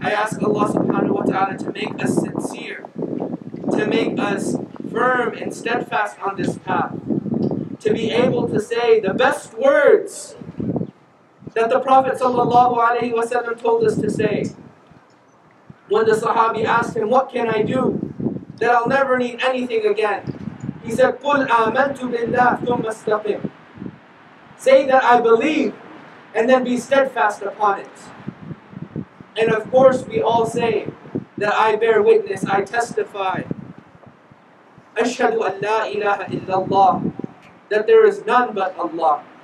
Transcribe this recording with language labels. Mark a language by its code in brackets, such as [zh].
[en] I ask Allah subhanahu wa ta'ala to make us sincere, to make us firm and steadfast on this path, to be able to say the best words that the Prophet sallallahu alayhi wa sallam told us to say. When the Sahabi asked him, what can I do that I'll never need anything again? He said, [ar] قُلْ آمَنْتُ بِاللَّهِ ثُمَّ اسْتَقِمْ. [en] Say that I believe, and then be steadfast upon it. And of course we all say that I bear witness, I testify. [ar] أَشْهَدُ أَنْ لَا إِلَهَ إِلَّا اللَّهِ. [en] That there is none but Allah.